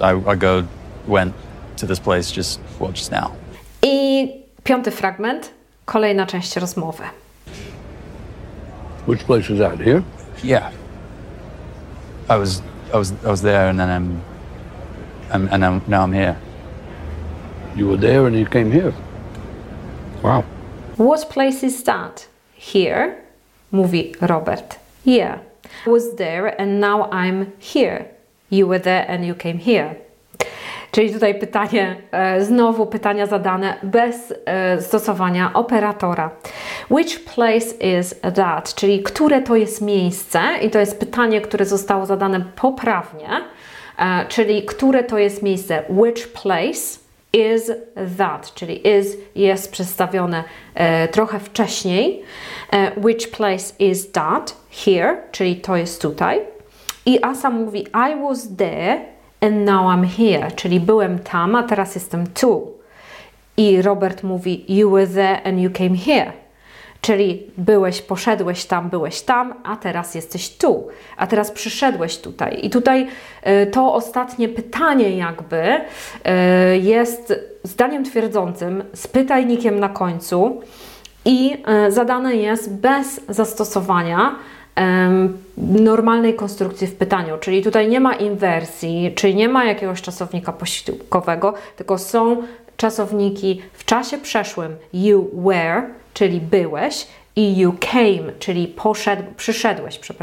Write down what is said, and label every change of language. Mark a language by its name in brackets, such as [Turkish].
[English] I went to this place just now. [Polish] I piąty fragment, kolejna część rozmowy. [English] Which place is that, here? Yeah. I was there and then I'm here. You were there and you came here. Wow. What place is that? Here, mówi Robert. Yeah. I was there and now I'm here. You were there and you came here. [Polish] Czyli tutaj pytanie, znowu pytania zadane bez stosowania operatora. [English] Which place is that? [Polish] Czyli które to jest miejsce? I to jest pytanie, które zostało zadane poprawnie. Czyli które to jest miejsce? [English] Which place is that? [Polish] Czyli is jest przedstawione trochę wcześniej. [English] Which place is that? Here, [Polish] czyli to jest tutaj. I Asa mówi, [English] I was there. And now I'm here, [Polish] czyli byłem tam, a teraz jestem tu. I Robert mówi, [English] you were there and you came here. [Polish] Czyli byłeś, poszedłeś tam, byłeś tam, a teraz jesteś tu. A teraz przyszedłeś tutaj. I tutaj to ostatnie pytanie jakby jest zdaniem twierdzącym, z pytajnikiem na końcu i zadane jest bez zastosowania normalnej konstrukcji w pytaniu, czyli tutaj nie ma inwersji, czyli nie ma jakiegoś czasownika posiłkowego, tylko są czasowniki w czasie przeszłym [English] you were, [Polish] czyli byłeś i [English] you came, [Polish] czyli przyszedłeś.